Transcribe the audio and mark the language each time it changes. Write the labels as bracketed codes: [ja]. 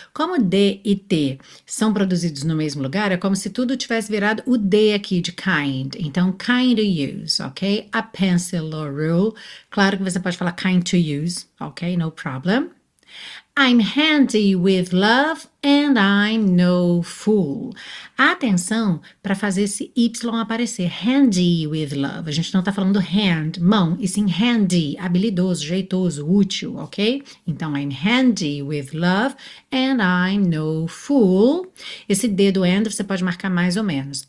[pt] Como D e T são produzidos no mesmo lugar, é como se tudo tivesse virado o D aqui de kind. [en] Então, kind of use, ok? A pencil or rule. [pt] Claro que você pode falar [en] kind to use, ok? No problem. I'm handy with love and I'm no fool. [pt] Atenção para fazer esse Y aparecer. [en] Handy with love. [pt] A gente não está falando hand, mão, e sim handy, habilidoso, jeitoso, útil, ok? [en] Então, I'm handy with love and I'm no fool. [pt] Esse dedo and você pode marcar mais ou menos.